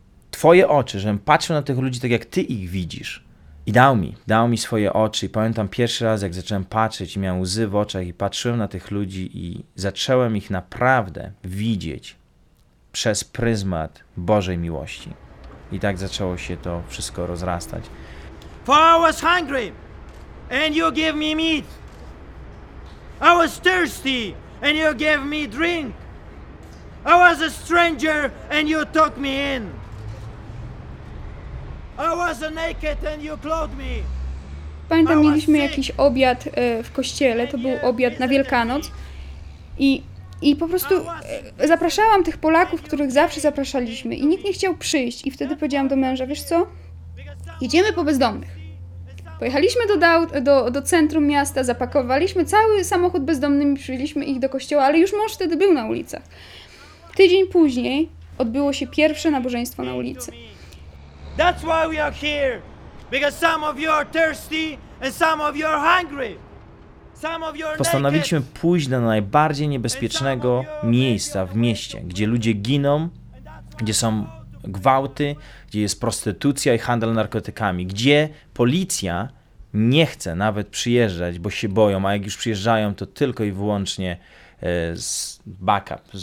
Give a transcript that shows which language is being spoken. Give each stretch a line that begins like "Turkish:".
Polish: Twoje oczy, żebym patrzył na tych ludzi tak, jak ty ich widzisz. I dał mi swoje oczy. I pamiętam pierwszy raz, jak zacząłem patrzeć i miałem łzy w oczach i patrzyłem na tych ludzi i zacząłem ich naprawdę widzieć przez pryzmat Bożej miłości. I tak zaczęło się to wszystko rozrastać.
English: For I was hungry, and you gave me meat. I was thirsty, and you gave me drink. I was a stranger, and you took me in. I was naked, and you clothed me.
Polish: Pamiętam, mieliśmy jakiś obiad w kościele, to był obiad na Wielkanoc. I po prostu zapraszałam tych Polaków, których zawsze zapraszaliśmy i nikt nie chciał przyjść. I wtedy powiedziałam do męża, wiesz co, jedziemy po bezdomnych. Pojechaliśmy do centrum miasta, zapakowaliśmy cały samochód bezdomnymi, przywieźliśmy ich do kościoła, ale już mąż wtedy był na ulicach. Tydzień później odbyło się pierwsze nabożeństwo na ulicy.
English: That's why we are here, because some of you are thirsty and some of you are hungry.
Polish: Postanowiliśmy pójść do najbardziej niebezpiecznego miejsca w mieście, gdzie ludzie giną, gdzie są gwałty, gdzie jest prostytucja i handel narkotykami, gdzie policja nie chce nawet przyjeżdżać, bo się boją, a jak już przyjeżdżają, to tylko i wyłącznie z backup,